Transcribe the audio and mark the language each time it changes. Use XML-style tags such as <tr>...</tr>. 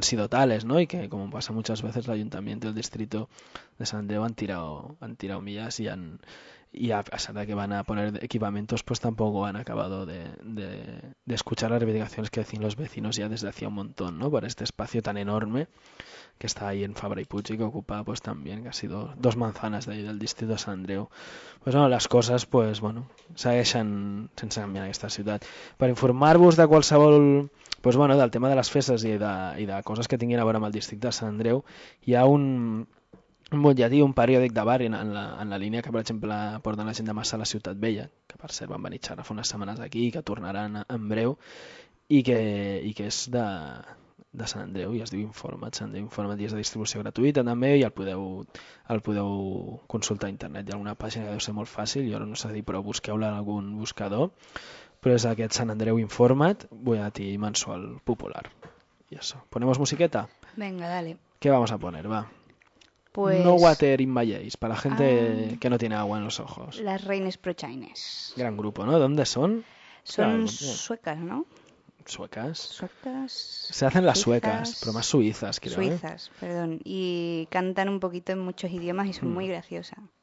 <es>tales, ¿no? Y que, como pasa muchas veces, el ayuntamiento y el distrito de San Andreu han tirado millas y a pesar de que van a poner equipamientos, pues tampoco han acabado de escuchar las reivindicaciones que decían los vecinos ya desde hacía un montón, ¿no? Por este espacio tan enorme que está ahí en Fabra y Puig y que ocupa pues también casi dos manzanas de ahí del distrito de San Andreu.</es> <ca>Pues bueno,</ca> <es>las cosas,</es> <ca>pues bueno, segueixen sense canviar aquesta ciutat. Per informar-vos de qualsevol, pues bueno, del tema de les festes i de coses que tinguin a veure amb el districte de Sant Andreu, hi ha un butlletí, un periòdic de barri en la línia que, per exemple, porten la gent de Massa a la Ciutat Vella, que per cert van venir xerrar fa unes setmanes aquí i que tornaran en breu, i que és de Sant Andreu i es diu Informat, Sant Andreu Informat, i és de distribució gratuïta també, i el podeu consultar a internet. Hi ha alguna pàgina que deu ser molt fàcil, jo no sé dir, però busqueu-la en algun buscador. Però és aquest Sant Andreu Informat, butlletí mensual popular. I això.</ca> <es>Ponemos musiqueta? Venga, dale. Què vamos a poner, va? Pues... No Water in My Eyes, para la gente que no tiene agua en los ojos. Las Reines Prochaines. Gran grupo, ¿no? ¿Dónde son? Son suecas, ¿no? ¿Suecas? Suecas. Se hacen las suecas, pero más suizas, creo. Suizas, perdón. Y cantan un poquito en muchos idiomas y son muy graciosas.</es>